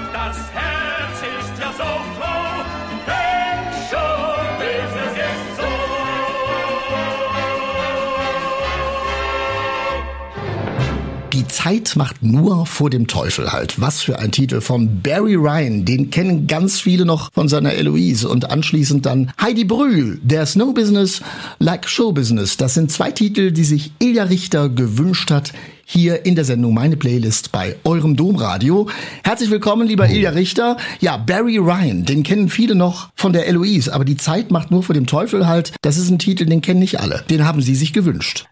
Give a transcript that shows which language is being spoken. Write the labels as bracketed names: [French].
[German] das Herz ist ja so froh, denn Showbusiness ist so. Die Zeit macht nur vor dem Teufel halt. Was für ein Titel von Barry Ryan. Den kennen ganz viele noch von seiner Eloise. Und anschließend dann Heidi Brühl. [English] There's no business like show business. [German] Das sind zwei Titel, die sich Ilja Richter gewünscht hat, hier in der Sendung Meine Playlist bei eurem Domradio. Herzlich willkommen, lieber Ilja Richter. Ja, Barry Ryan, den kennen viele noch von der Eloise, aber die Zeit macht nur vor dem Teufel halt. Das ist ein Titel, den kennen nicht alle. Den haben sie sich gewünscht.